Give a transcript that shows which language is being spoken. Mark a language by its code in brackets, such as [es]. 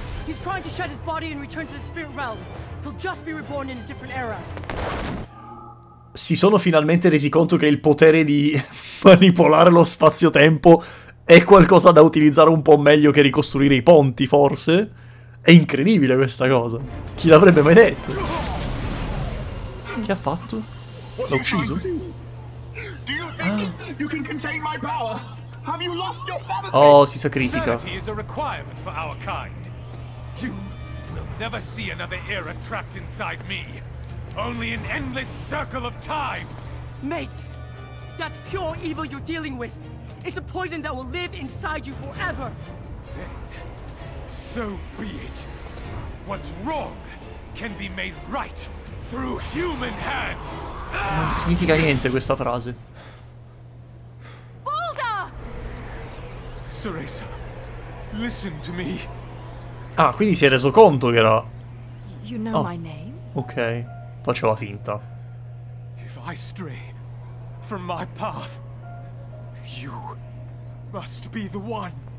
[en] He's trying to shed his body and return to the spirit realm. He'll just be reborn in a different era. [it] Si sono finalmente resi conto che il potere di manipolare lo spazio-tempo è qualcosa da utilizzare un po' meglio che ricostruire i ponti, forse? È incredibile questa cosa. Chi l'avrebbe mai detto? Che ha fatto? L'ha ucciso? [en] Do you think you can contain my power? Have you lost your sanity? [it] Oh, si sacrifica. [en] Sanity is a requirement for our kind. You will never see another era trapped inside me. Only an endless circle of time. Mate, that's pure evil you're dealing with. It's a poison that will live inside you forever. Then, so be it. What's wrong can be made right through human hands. [it] Non significa niente questa frase. [en] Ceresa, listen to me. [it] Ah, quindi si è reso conto che era... [en] You know my name? [it] Ok, faceva finta. [en] If I stray from my path, you must be the one.